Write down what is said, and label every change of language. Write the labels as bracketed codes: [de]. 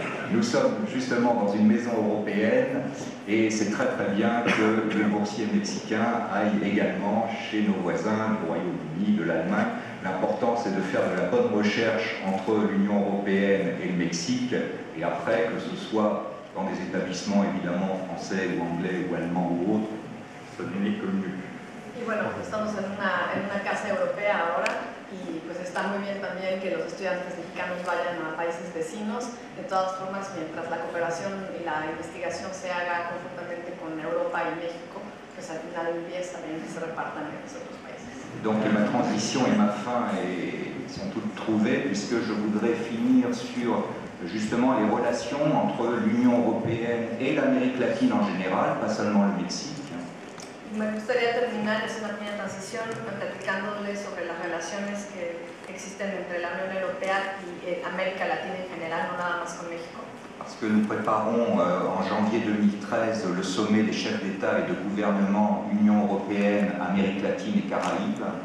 [fr] Nous sommes justement dans une maison européenne et c'est très très bien que le boursier mexicain aille également chez nos voisins du Royaume-Uni, de l'Allemagne. L'important c'est de faire de la bonne recherche entre l'Union européenne et le Mexique et après que ce soit dans des établissements évidemment français ou anglais ou allemands ou autres, ce n'est que mieux. [es] Y bueno, estamos en una casa europea ahora y pues está muy bien también que los estudiantes mexicanos vayan a países vecinos. De todas formas, mientras la cooperación y la investigación se haga conjuntamente con Europa y México, pues al final del día también se repartan en otros países. [fr] Donc ma transition et ma fin sont toutes trouvées puisque je voudrais finir sur justement les relations entre l'Union européenne et l'Amérique latine en général, pas seulement le Mexique. [es] Me gustaría terminar esta pequeña transición platicándoles sobre las relaciones que existen entre la Unión Europea y América Latina en general, no nada más con México. [fr] Parce que nous préparons en janvier 2013 le sommet des chefs d'État et de gouvernement Union européenne, Amérique latine et Caraïbes.